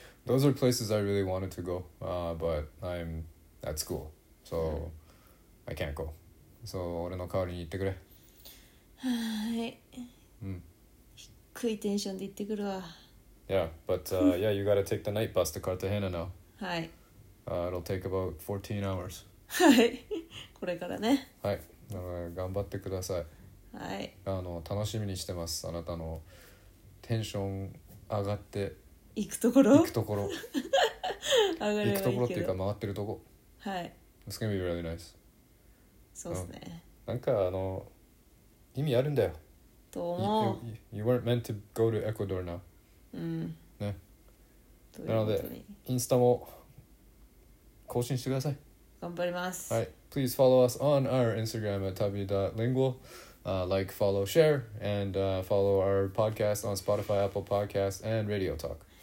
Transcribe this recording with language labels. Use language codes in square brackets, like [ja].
[en] Those are places I really wanted to go, but I'm at school, so I can't go. [ja] So, 俺の代わりに行ってくれ。はい。うん。低いテンションで行ってくるわ。 [en] Yeah, but yeah, you gotta take the night bus to Cartagena now. [ja] はい。 [en] It'll take about 14 hours. [ja] はい。これからね。はい。頑張ってください。はい。楽しみにしてます。あなたのテンション上がって行くところ行くところ上がればいいけど、行くところっていうか回ってるとこ、はい、 [en] It's gonna be really nice。 [ja] そうですね、なんか意味あるんだよと思う。 [en] you weren't meant to go to Ecuador now。 [ja] うんね、なのでインスタも更新してください。頑張ります。 [en] はい、 Please follow us on our Instagram at tabi.lingual。 Like, follow, share, and follow our podcast on Spotify, Apple Podcasts, and Radio Talk.